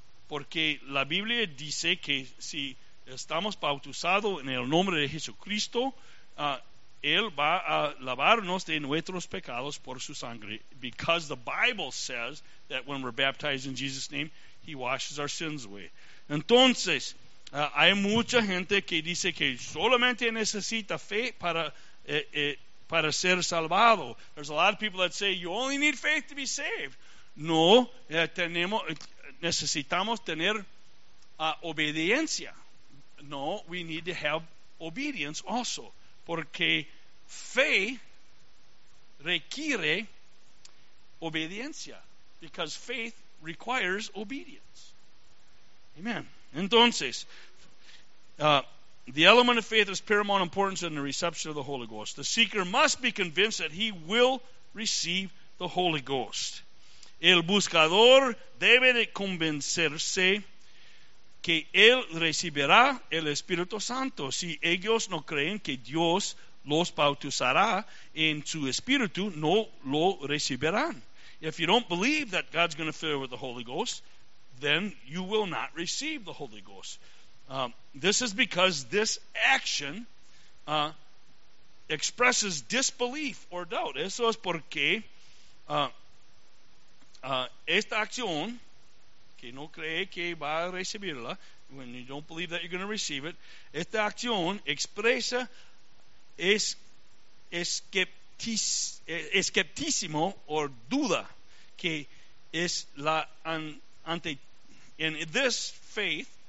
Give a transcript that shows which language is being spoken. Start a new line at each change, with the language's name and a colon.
Spanish: porque la Biblia dice que si estamos bautizados en el nombre de Jesucristo, Él va a lavarnos de nuestros pecados por su sangre,
English: because the Bible says that when we're baptized in Jesus' name, He washes our sins away.
Spanish: Entonces, hay mucha gente que dice que solamente necesita fe para ser salvado.
English: There's a lot of people that say, you only need faith to be saved.
Spanish: No, necesitamos tener obediencia.
English: No, we need to have obedience also.
Spanish: Porque fe requiere obediencia.
English: Because faith requires obedience. Amen. Entonces, the element of faith is paramount importance in the reception of the Holy Ghost. The seeker must be convinced that he will receive the Holy Ghost.
Spanish: El buscador debe de convencerse que él recibirá el Espíritu Santo. Si ellos no creen que Dios los bautizará en su Espíritu, no lo recibirán.
English: If you don't believe that God's going to fill you with the Holy Ghost, then you will not receive the Holy Ghost. This is because this action expresses disbelief or doubt.
Spanish: Eso es porque esta acción, que no cree que va a recibirla,
English: when you don't believe that you're going to receive it,
Spanish: esta acción expresa escepticismo o duda, que es la ante
English: in this faith.